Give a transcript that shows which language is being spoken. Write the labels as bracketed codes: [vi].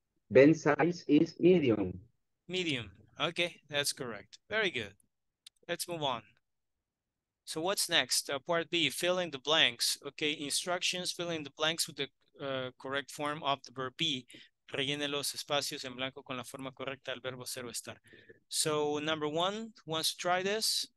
[en] Ben's size is medium. Medium, okay, that's correct. Very good. Let's move on. So what's next? Part B, fill in the blanks. Okay, instructions, fill in the blanks with the correct form of the verb be. [es] Rellene los espacios en blanco con la forma correcta del verbo ser o estar. [en] So, number one, who wants to try this?